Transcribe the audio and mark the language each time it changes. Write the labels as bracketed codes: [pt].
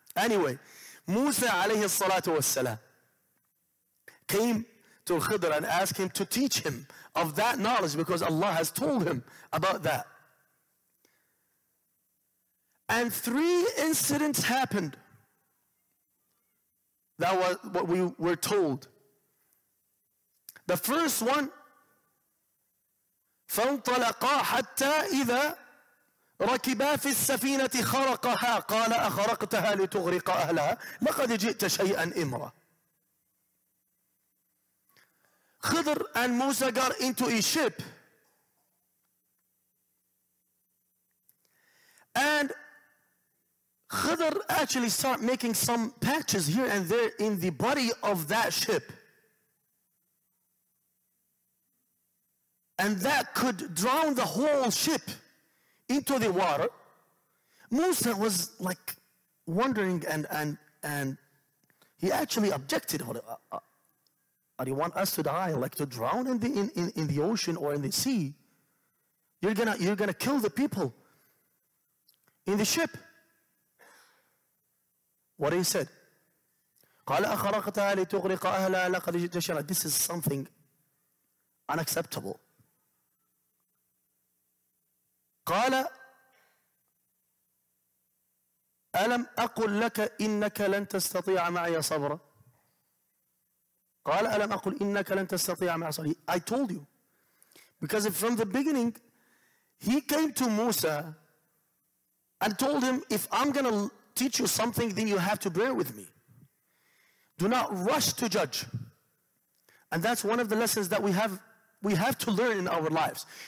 [en] Anyway, Musa alayhi salatu wa salam came to Khidr and asked him to teach him of that knowledge because Allah has told him about that. And three incidents happened. That was what we were told. The first one, [ar] فَانْطَلَقَا حَتَّى إِذَا رَكِبَا فِي السَّفِينَةِ خَرَقَهَا قَالَ أَخَرَقْتَهَا لِتُغْرِقَ أَهْلَهَا لَقَدْ جِئْتَ شَيْئًا إِمْرًا. [en] Khidr and Musa got into a ship and Khidr actually started making some patches here and there in the body of that ship. And that could drown the whole ship into the water. Musa was like wondering and he actually objected. Do you want us to die? Like to drown in the ocean or in the sea? You're gonna kill the people. in the ship. What he said. [ar] قال أخرقتها لتغرق أهلها لقد جئت شيئا. [en] This is something unacceptable. [ar] قال ألم أقل لك إنك لن تستطيع معي صبرا. قال ألم أقل إنك لن تستطيع معي صبرا. [en] I told you. Because from the beginning he came to Musa and told him, if I'm going to teach you something, then you have to bear with me. Do not rush to judge. And that's one of the lessons that we have to learn in our lives.